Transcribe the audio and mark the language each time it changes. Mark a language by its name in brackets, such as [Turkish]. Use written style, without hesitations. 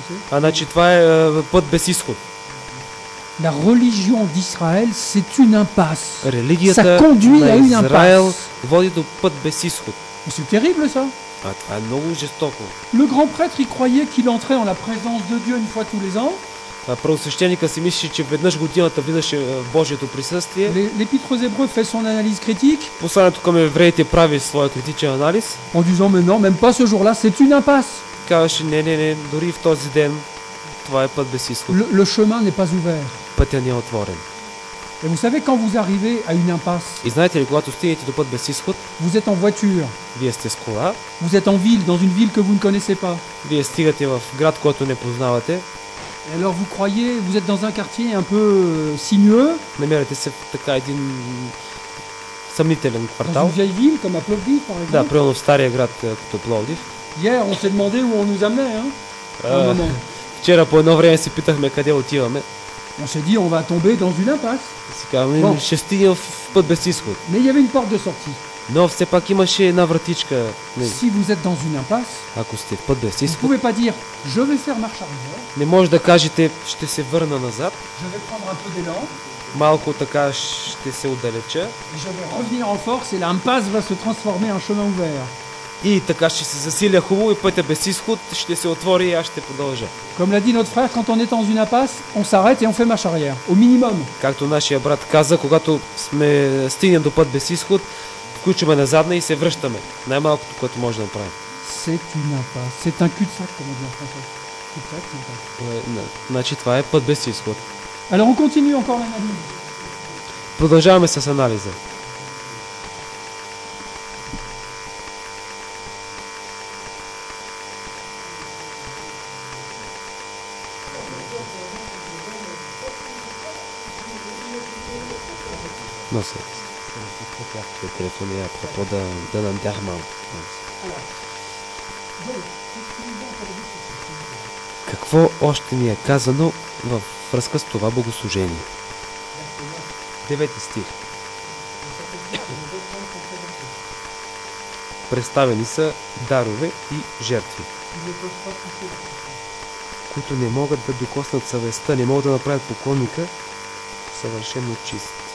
[Bulgarian] А значи това е път без изход. [French] La religion d'Israël, c'est une impasse. [Bulgarian] Религията [French] ça conduit [Bulgarian] на [French] à une impasse. [Bulgarian] Води до път без изход. [French] C'est terrible ça. [Bulgarian] Това е много жестоко. [French] Le grand prêtre il croyait qu'il entrait en la présence de Dieu une fois tous les ans. [Bulgarian] Правосвещеникът си мислеше, че веднъж годината влизаше в Божието присъствие. [French] L'Épître aux Hébreux fait son analyse critique. [Bulgarian] Посланието към евреите прави своя критичен анализ. [French] En disant, mais non, même pas ce jour-là, c'est une impasse. [Bulgarian] Казваше, не, дори в този ден това е път без изход. [French] Le chemin n'est pas ouvert. [Bulgarian] Пътя не е отворен. [French] Et vous savez quand vous arrivez à une impasse? [Bulgarian] И знаете ли, когато стигнете до път без изход? [French] Vous êtes en voiture. [Bulgarian] Вие сте с кола. [French] Vous êtes en ville, dans une ville que vous ne connaissez pas. [Bulgarian] Вие стигате в град, който не познавате. [French] Et alors vous croyez, vous êtes dans un quartier un peu sinueux? [Bulgarian] Намирате се в така един съмнителен квартал. [French] Dans une vieille ville comme à Plovdiv, par exemple. [Bulgarian] Да, примерно в стария град като Пловдив. [French] Hier, on s'est demandé où on nous amenait, hein? [Bulgarian] Вчера по едно време си питахме къде отиваме. [French] On s'est dit on va tomber dans une impasse. [Bulgarian] Си казваме, ще стигнем в път без изход. [French] Mais il y avait une porte de sortie. [Bulgarian] Но все пак имаше една вратичка. [French] Си вы êtes dans une impasse, [Bulgarian] ако сте в път без изход, [French] vous pouvez pas dire, je vais faire marche arrière. [Bulgarian] Не може да кажете, ще се върна назад. [French] Je vais prendre un peu d'élan. [Bulgarian] Малко така ще се отдалеча. [French] Je vais revenir en force et l'impasse va se transformer en chemin ouvert. [Bulgarian] И така ще се засиля хубаво и пътя без изход ще се отвори и аз ще продължа. [French] Comme l'a dit notre frère, quand on est dans une impasse, on s'arrête et on fait marche arrière, au minimum. [Bulgarian] Както нашия брат каза, когато сме стигнем до път без изход, включваме назад и се връщаме. Най-малкото, което може да направим. [French] C'est une impasse, c'est un cul-de-sac, comme on dit en français. Cul-de-sac, c'est un cul-de-sac. [Bulgarian] Значи това е път без изход. [French] Alors on continue encore l'analyse. [Bulgarian] Продължаваме с анализа. [French] Non, c'est trop tard, je vais téléphoner à propos d'un enterrement. [Bulgarian] Какво още ни е казано във връзка с това богослужение? Девети стих. Представени са дарове и жертви, които не могат да докоснат съвестта, не могат да направят поклонника съвършено чист.